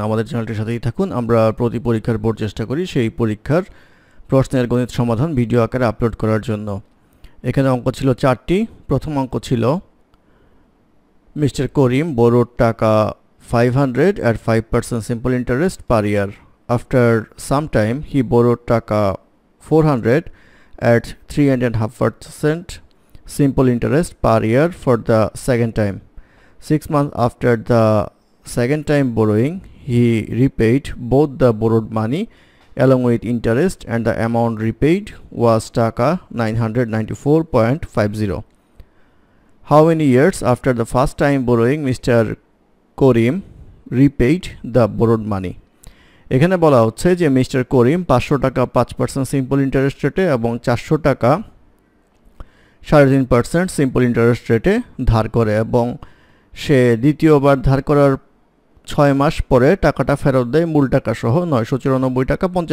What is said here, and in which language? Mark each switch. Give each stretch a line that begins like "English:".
Bangla: আমাদের চ্যানেলটির সাথেই থাকুন, আমরা প্রতি পরীক্ষার পর চেষ্টা করি সেই পরীক্ষার প্রশ্নের গণিত সমাধান ভিডিও আকারে আপলোড করার জন্য। এখানে অঙ্ক ছিল চারটি। প্রথম অঙ্ক ছিল
English: Mister Karim borrowed টাকা 500 at 5% simple interest per year. After some time he borrowed টাকা 400 at 3.5% simple interest per year for the second time. 6 months after the second time borrowing, he repaid both the borrowed money along with interest, and the amount repaid was ₹994.50. How many years after the first time borrowing Mr. Karim repaid the borrowed money?
Bangla: এখানে বলা হচ্ছে যে mister করিম 500 টাকা 5% simple interest রেটে এবং 400 টাকা 3.5% simple interest রেটে ধার করে, এবং সে দ্বিতীয়বার ধার করার 6 মাস পরে টাকাটা ফেরত দেয় মূল টাকা সহ 994.50 টাকা।